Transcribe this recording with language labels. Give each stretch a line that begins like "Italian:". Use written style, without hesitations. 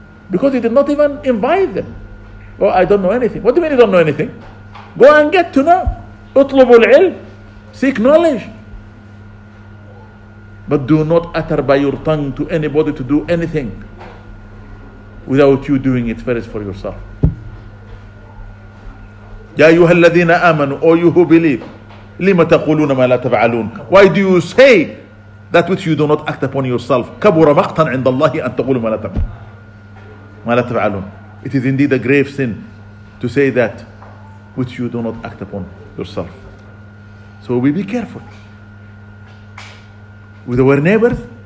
English: Because you did not even invite them. Oh, I don't know anything. What do you mean you don't know anything? Go and get to know.
Arabic: اطلبوا العلم.
English: Seek knowledge. But do not utter by your tongue to anybody to do anything without you doing it first for yourself.
Arabic: يا أيها الذين آمنوا,
English: or you who believe,
Arabic: لِمَ تَقُولُونَ مَا لَا تَفْعَلُونَ.
English: Why do you say that which you do not act upon yourself?
Arabic: كَبُرَ مَقْتًا عِنْدَ اللَّهِ أَن تَقُولُ مَا لَا تَفْعَلُونَ.
English: It is indeed a grave sin to say that which you do not act upon yourself. So we be careful with our neighbors.